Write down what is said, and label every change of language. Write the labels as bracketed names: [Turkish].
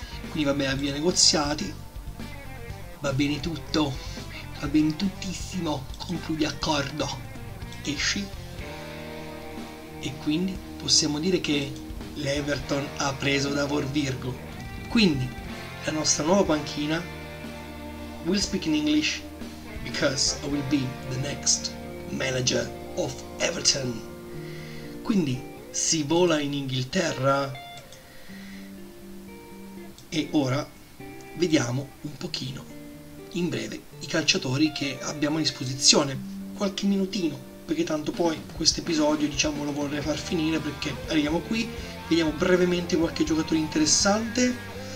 [Italian] Quindi vabbè, avvia negoziati, va bene tutto, va bene tuttissimo, concludi accordo, esci, e quindi possiamo dire che l'Everton ha preso Davor Virgo. Quindi la nostra nuova panchina [English] will speak in English because I will be the next manager of Everton. [Italian] Quindi si vola in Inghilterra. E ora vediamo un pochino in breve i calciatori che abbiamo a disposizione. Qualche minutino, perché tanto poi questo episodio, diciamo, lo vorrei far finire, perché arriviamo qui, vediamo brevemente qualche giocatore interessante.